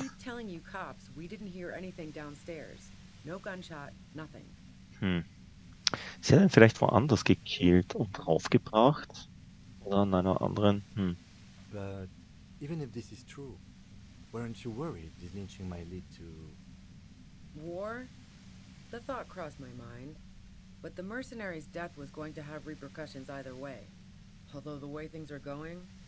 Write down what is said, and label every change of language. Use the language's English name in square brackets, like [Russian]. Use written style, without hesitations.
[English] I keep telling you cops, we didn't hear anything downstairs. No gunshot, nothing. [German] Sie hat ihn vielleicht woanders gekillt und draufgebracht? Oder an einer anderen? [English] But even if this is true, weren't you worried this lynching might lead to... War? The thought crossed my mind. But the mercenary's death was going to have repercussions either way. Although the way things are going...